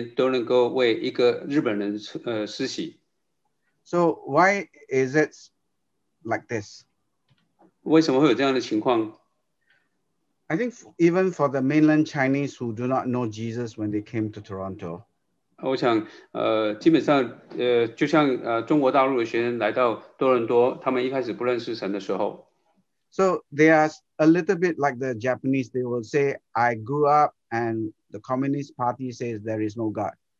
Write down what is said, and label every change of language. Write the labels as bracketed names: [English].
[Chinese] 但是在多伦多的国际的学生的事工当中，他们每一年都能够为一个日本人施洗。 [English] So why is it like this? [Chinese] 为什么会有这样的情况？ [English] I think even for the mainland Chinese who do not know Jesus when they came to Toronto. [Chinese] 我想基本上就像中国大陆的学生来到多伦多，他们一开始不认识神的时候。 [English] So they are a little bit like the Japanese. They will say, I grew up and the Communist Party says there is no God.